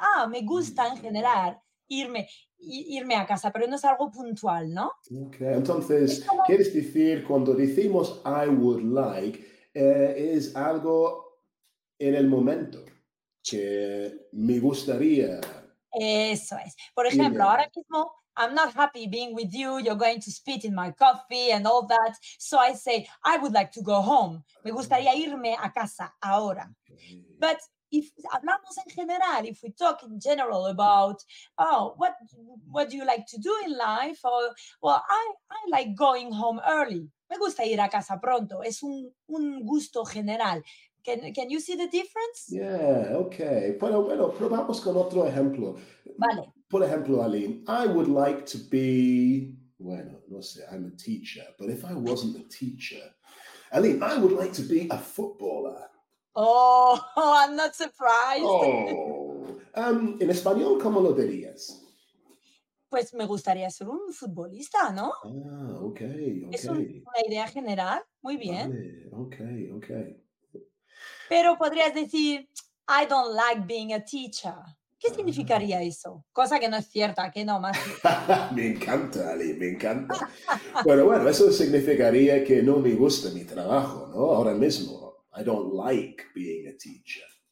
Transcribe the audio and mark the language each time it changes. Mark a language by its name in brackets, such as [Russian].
[Spanish] Ah, me gusta en general irme a casa, pero no es algo puntual, ¿no? Ok, entonces, ¿quieres decir cuando decimos I would like? Es algo en el momento que me gustaría. Eso es. Por ejemplo, ahora mismo, [English] I'm not happy being with you, you're going to spit in my coffee and all that. So I say, I would like to go home. [Spanish] Me gustaría irme a casa ahora. [English] But if [Spanish] hablamos en general, [English] if we talk in general about, what do you like to do in life? Or, well, I like going home early. [Spanish] Me gusta ir a casa pronto. Es un gusto general. [English] Can you see the difference? Yeah, okay. [Spanish] Bueno, probamos con otro ejemplo. Vale. Por ejemplo, [English] Aline, I would like to be, [Spanish] bueno, no sé, [English] I'm a teacher. But if I wasn't a teacher, Aline, I would like to be a footballer. Oh, I'm not surprised. [Spanish] Oh. En español, ¿cómo lo dirías? Pues me gustaría ser un futbolista, ¿no? Ah, ok, ok. Es una idea general, muy bien. Vale, ok, ok. Pero podrías decir, [English] I don't like being a teacher. [Spanish] ¿Qué significaría eso? Cosa que no es cierta, que no, más. Me encanta, Ali, me encanta. Bueno, eso significaría que no me gusta mi trabajo, ¿no? Ahora mismo, [English] I don't like being a teacher.